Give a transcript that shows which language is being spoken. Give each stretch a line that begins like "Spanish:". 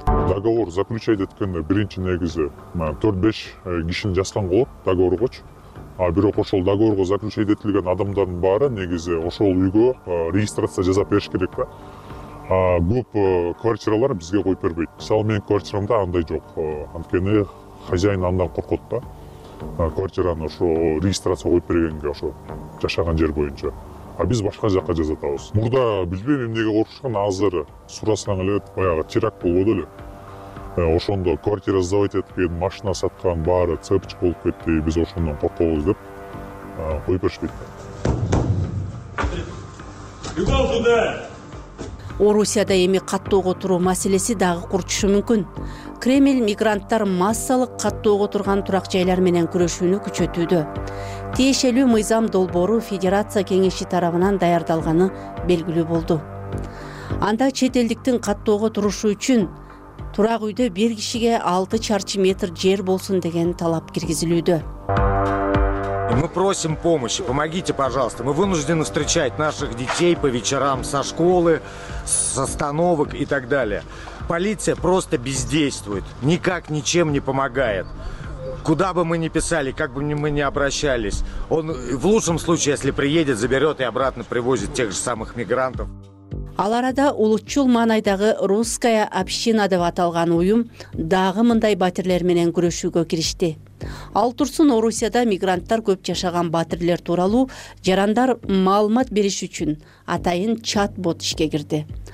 Russian: Договор заключать
Kyrgyz: эткенде биринчи негизи 4-5 кишини жазган болот договоргочу. Бирок ошол договорго заключать этилген адамдардын баары негизи ошол үйгө регистрация жасап бериш керек да. Көп квартиралар бизге коюп бербейт. Мисалы менин квартирамда андай жок. Анткени хозяин андан коркот да. Квартираны ошо регистрация коюп бергенге ошо жашаган жер боюнча. Биз башка жака жазатабыз. Мурда билбейм эмнеге коркушкан, азыр сурасаң эле баягы теракт болгодо эле. Ошондо
Russian: квартира сдавать
Kyrgyz: эткен, машина саткан, баары цепчик болуп кетти, биз ошондон коркобуз деп коюп беришпейт. Любал туда! Орусияда эми каттоого отуруу маселеси дагы курчушу мүмкүн. Кремль мигранттар массалык каттоого отурган турак жайлар менен күрөшүүнү күчөтүүдө. Тиешелүү мыйзам долбоору Федерация кеңеши тарабынан даярдалганы белгилүү болду. Анда чет элдиктин каттоого турушу үчүн турак үйдө бир кишиге 6 чарчы метр жер болсун деген талап киргизилүүдө.
Russian: Мы просим помощи, помогите, пожалуйста. Мы вынуждены встречать наших детей по вечерам со школы, с остановок и так далее. Полиция просто бездействует, никак ничем не помогает. Куда бы мы ни писали, как бы мы ни обращались, он в лучшем случае, если приедет, заберет и обратно привозит тех же самых мигрантов.
Kyrgyz: Ал арада улутчул маанайдагы «Русская община» деп аталган уюм дагы мындай батирлер менен күрөшүүгө киришти. Ал турсун Орусияда мигранттар көп жашаган батирлер тууралуу жарандар маалымат бериш үчүн атайын чат-бот ишке кирди.